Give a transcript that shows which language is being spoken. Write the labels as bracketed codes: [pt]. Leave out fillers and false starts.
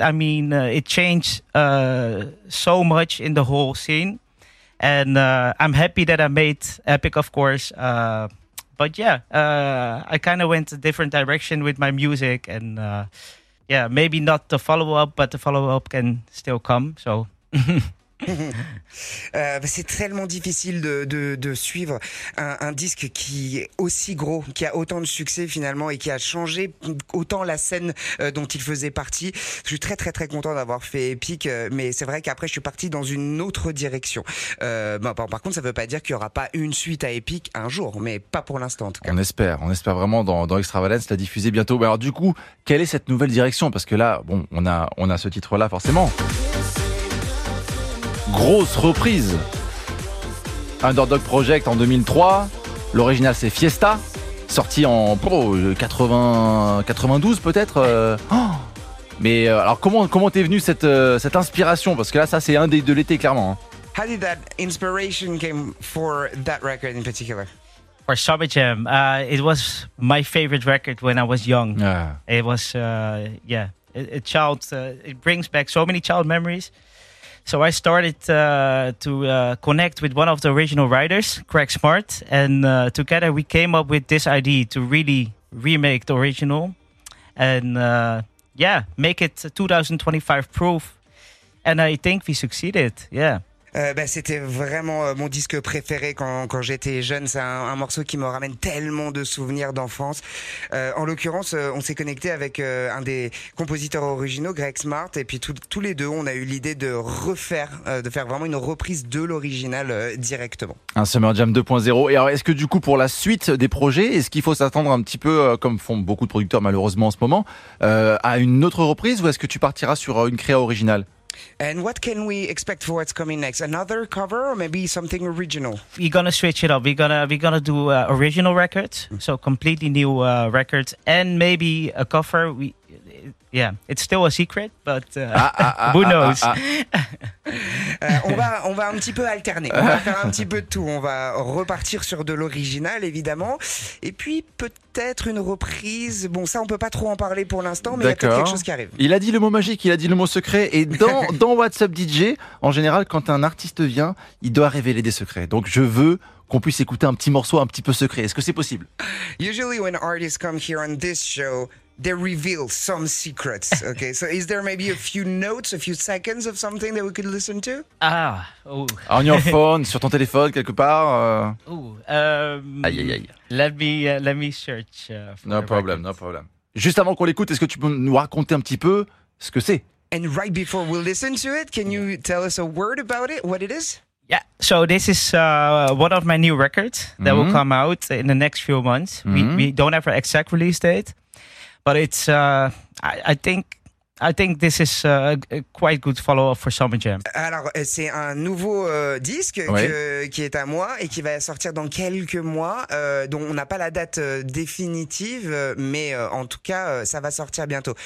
[en] I mean, it changed so much in the whole scene. And I'm happy that I made Epic, of course. But yeah, I kind of went a different direction with my music. And yeah, maybe not the follow up, but the follow up can still come. So. [fr] c'est tellement difficile de suivre un disque qui est aussi gros, qui a autant de succès finalement et qui a changé autant la scène dont il faisait partie. Je suis très très très content d'avoir fait Epic, mais c'est vrai qu'après je suis parti dans une autre direction. Par contre, ça veut pas dire qu'il y aura pas une suite à Epic un jour, mais pas pour l'instant en tout cas. On espère vraiment dans Extravalence la diffuser bientôt. Mais alors du coup, quelle est cette nouvelle direction? Parce que là, bon, on a ce titre là forcément. Grosse reprise. Underdog Project en 2003. L'original, c'est Fiesta. Sorti en 92 peut-être. Mais alors, comment t'es venu cette inspiration? Parce que là, ça, c'est un des de l'été, clairement. [en] How did that inspiration came for that record in particular? For Summer Jam, it was my favorite record when I was young. Yeah. It was, a child. It brings back so many child memories. So I started to connect with one of the original writers, Craig Smart, and together we came up with this idea to really remake the original and make it 2025 proof. And I think we succeeded, yeah. [fr] C'était vraiment mon disque préféré quand j'étais jeune. C'est un morceau qui me ramène tellement de souvenirs d'enfance. En l'occurrence, on s'est connecté avec un des compositeurs originaux, Greg Smart, et puis tous les deux, on a eu l'idée de refaire, de faire vraiment une reprise de l'original directement. Un Summer Jam 2.0. Et alors, est-ce que du coup, pour la suite des projets, est-ce qu'il faut s'attendre un petit peu, comme font beaucoup de producteurs malheureusement en ce moment, à une autre reprise, ou est-ce que tu partiras sur une créa originale? [en] And what can we expect for what's coming next? Another cover or maybe something original? We're gonna switch it up. We're gonna do original records, so completely new records, and maybe a cover. It's still a secret, but who knows? [fr] on va un petit peu alterner. On va faire un petit peu de tout. On va repartir sur de l'original, évidemment, et puis peut-être une reprise. Bon, ça, on peut pas trop en parler pour l'instant, mais il y a peut-être quelque chose qui arrive. Il a dit le mot magique, il a dit le mot secret, et dans WhatsApp DJ, en général, quand un artiste vient, il doit révéler des secrets. Donc, je veux qu'on puisse écouter un petit morceau un petit peu secret. Est-ce que c'est possible? [en] Usually when artists come here on this show, they reveal some secrets, okay? So is there maybe a few notes, a few seconds of something that we could listen to? Ah, [fr] oh. [en] On your phone, [fr] sur ton téléphone, quelque part. [en] Aïe, aïe, aïe. Let me search. No problem. [fr] Juste avant qu'on l'écoute, est-ce que tu peux nous raconter un petit peu ce que c'est? [en] And right before we listen to it, can you tell us a word about it, what it is? Yeah, so this is one of my new records that mm-hmm. will come out in the next few months. Mm-hmm. We don't have an exact release date. But it's, I think this is a quite good follow-up for Summer Jam. [fr] Alors, c'est un nouveau disque oui. qui est à moi et qui va sortir dans quelques mois. Donc, on n'a pas la date définitive, mais en tout cas, ça va sortir bientôt.